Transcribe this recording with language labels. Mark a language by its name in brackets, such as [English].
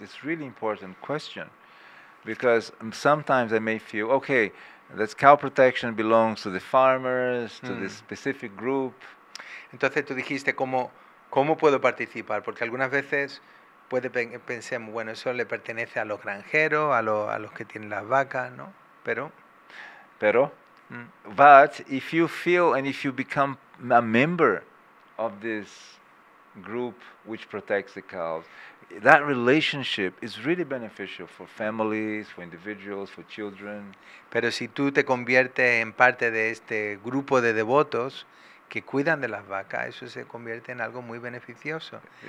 [English] It's a really important question, because sometimes I may feel, okay, this cow protection belongs to the farmers, to this specific group. [Spanish] Entonces tú dijiste, ¿cómo puedo participar? Porque algunas veces pensemos, bueno, eso le pertenece a los granjeros, a los que tienen las vacas, ¿no? Pero. [English] But if you feel and if you become a member of this group which protects the cows, that relationship is really beneficial for families, for individuals, for children. [Spanish] Pero si tú te conviertes en parte de este grupo de devotos que cuidan de las vacas, eso se convierte en algo muy beneficioso.